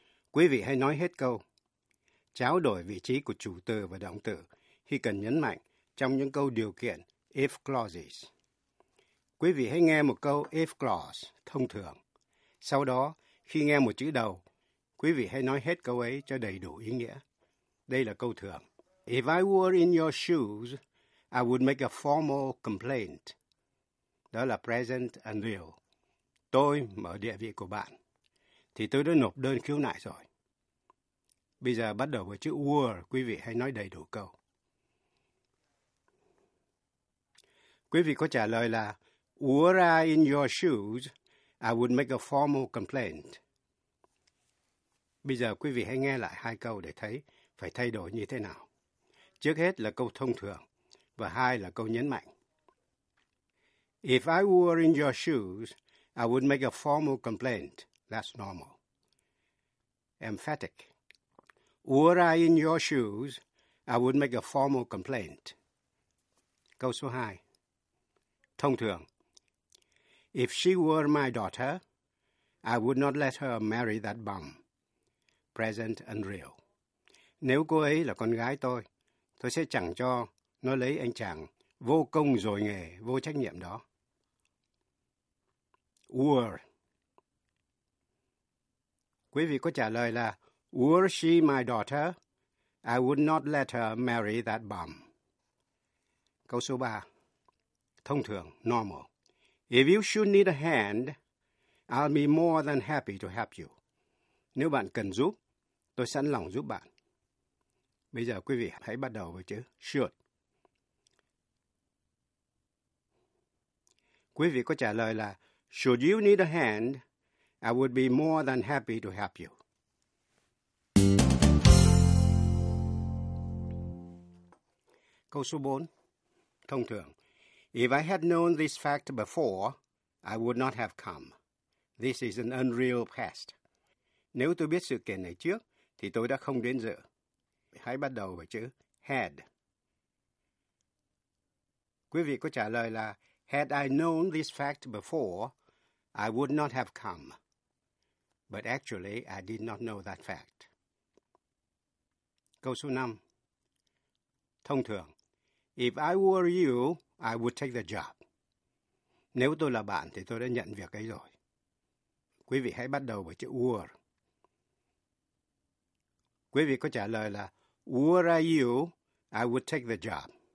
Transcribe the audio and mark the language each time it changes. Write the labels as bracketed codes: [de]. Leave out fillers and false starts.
[vi] Quý vị hãy nói hết câu. Tráo đổi vị trí của chủ từ và động từ khi cần nhấn mạnh trong những câu điều kiện if clauses. Quý vị hãy nghe một câu if clause thông thường. Sau đó, khi nghe một chữ đầu, quý vị hãy nói hết câu ấy cho đầy đủ ý nghĩa. Đây là câu thường. [en] If I were in your shoes, I would make a formal complaint. [vi] Đó là [en] present and real. [vi] Tôi mở địa vị của bạn, thì tôi đã nộp đơn khiếu nại rồi. Bây giờ bắt đầu với chữ were, quý vị hãy nói đầy đủ câu. Quý vị có trả lời là [en] were I in your shoes, I would make a formal complaint. [vi] Bây giờ quý vị hãy nghe lại hai câu để thấy phải thay đổi như thế nào. Trước hết là câu thông thường, và hai là câu nhấn mạnh. [en] If I were in your shoes, I would make a formal complaint. That's normal. Emphatic. Were I in your shoes, I would make a formal complaint. [vi] Câu số 2. thông thường. [en] If she were my daughter, I would not let her marry that bum. Present unreal. [vi] Nếu cô ấy là con gái tôi sẽ chẳng cho nó lấy anh chàng vô công rồi nghề, vô trách nhiệm đó. [en] Were. [vi] Quý vị có trả lời là [en] were she my daughter, I would not let her marry that bum. [vi] Câu số 3. Thông thường, [en] normal. If you should need a hand, I'll be more than happy to help you. [vi] Nếu bạn cần giúp, tôi sẵn lòng giúp bạn. Bây giờ quý vị hãy bắt đầu với chữ should. Quý vị có trả lời là [en] should you need a hand, I would be more than happy to help you. [vi] Câu số 4. Thông thường. [en] If I had known this fact before, I would not have come. This is an unreal past. [vi] Nếu tôi biết sự kiện này trước, thì tôi đã không đến dự. Hãy bắt đầu với chữ had. Quý vị có trả lời là [en] had I known this fact before, I would not have come. But actually, I did not know that fact. [vi] Câu số 5. Thông thường. [en] If I were you, I would take the job. [vi] Nếu tôi là bạn thì tôi đã nhận việc ấy rồi. Quý vị hãy bắt đầu với chữ were. Quý vị có trả lời là [en] were I you, I would take the job.